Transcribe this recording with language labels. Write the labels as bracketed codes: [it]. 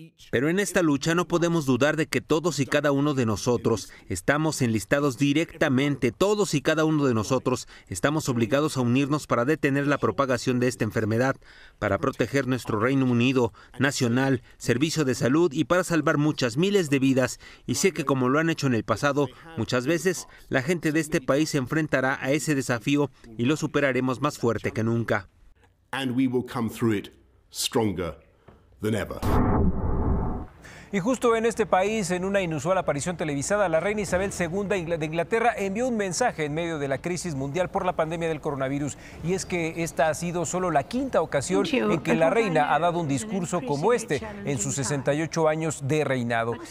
[es] Pero en esta lucha no podemos dudar de que todos y cada uno de nosotros estamos enlistados directamente, todos y cada uno de nosotros estamos obligados a unirnos para detener la propagación de esta enfermedad, para proteger nuestro Reino Unido, nacional, servicio de salud y para salvar muchas miles de vidas. Y sé que como lo han hecho en el pasado, muchas veces la gente de este país se enfrentará a ese desafío y lo superaremos más fuerte que nunca. [en] And we will come through it stronger than ever. [es] Y justo en este país, en una inusual aparición televisada, la reina Isabel II de Inglaterra envió un mensaje en medio de la crisis mundial por la pandemia del coronavirus. Y es que esta ha sido solo la quinta ocasión en que la reina ha dado un discurso como este en sus 68 años de reinado.